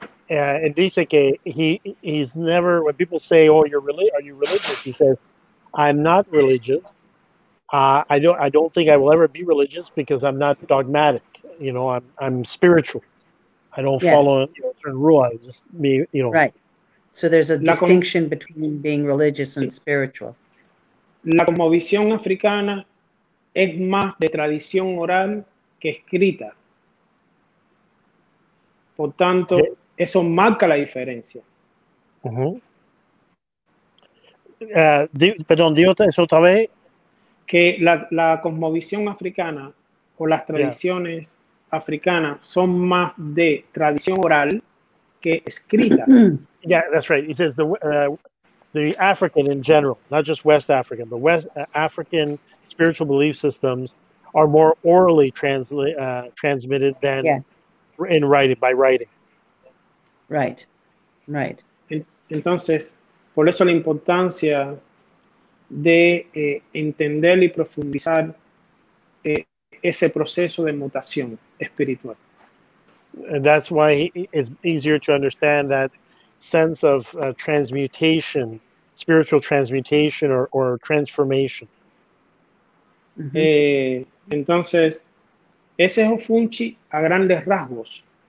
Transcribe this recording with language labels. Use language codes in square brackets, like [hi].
[en] And [es] dice que [en] he's never, when people say, oh, are you religious? He says, I'm not religious. I don't think I will ever be religious because I'm not dogmatic. You know, I'm spiritual. I don't follow a certain rule. I just be, you know. Right. So there's a distinction between being religious and spiritual. [es] La cosmovisión africana es más de tradición oral que escrita. Por tanto, eso marca la diferencia. Uh-huh. perdón, digo eso otra vez. Que la cosmovisión africana o las tradiciones africanas son más de tradición oral que escrita. [en] Yeah, that's right. He says the African in general, not just West African, but West African spiritual belief systems are more orally transmitted than in writing, by writing. Right, right. [es] Entonces, por eso la importancia de entender y profundizar ese proceso de mutación espiritual. [en] And that's why it's easier to understand that sense of transmutation, spiritual transmutation or transformation. [es] Mm-hmm. Entonces, ese es Ofunchi a grandes rasgos.